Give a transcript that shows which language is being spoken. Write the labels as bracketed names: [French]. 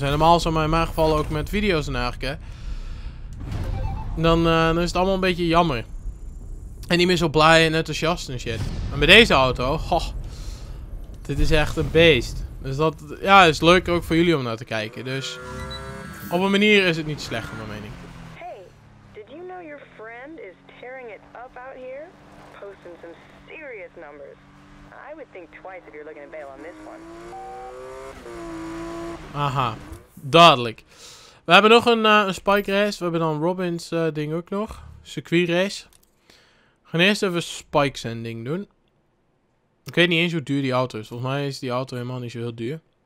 [Dutch] Helemaal zo, maar in mijn geval ook met video's en eigenlijk. Hè. Dan is het allemaal een beetje jammer. En niet meer zo blij en enthousiast en shit. En bij deze auto, dit is echt een beest. Dus dat, ja, is leuk ook voor jullie om naar te kijken. Dus op een manier is het niet slecht, naar mijn mening. [English] Hey, did you know your friend is tearing it up out here? Posting some serious numbers. I would think twice if you're looking to bail on this one. [Dutch] Aha, dadelijk. We hebben nog een spike race. We hebben dan Robin's ding ook nog. Circuit race. We gaan eerst even spike zending doen. Ik weet niet eens hoe duur die auto is. Volgens mij is die auto helemaal niet zo heel duur.